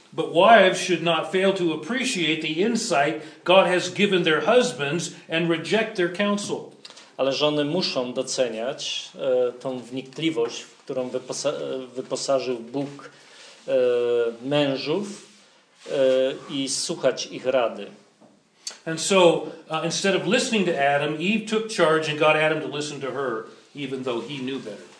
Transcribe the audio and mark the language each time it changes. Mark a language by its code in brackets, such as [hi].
[en] But wives should not fail to appreciate the insight God has given their husbands and reject their counsel. [pl] Ale żony muszą doceniać tą wnikliwość, w którą wyposażył Bóg mężów i słuchać ich rady. [en] And so instead of listening to Adam, Eve took charge and got Adam to listen to her, even though he knew better.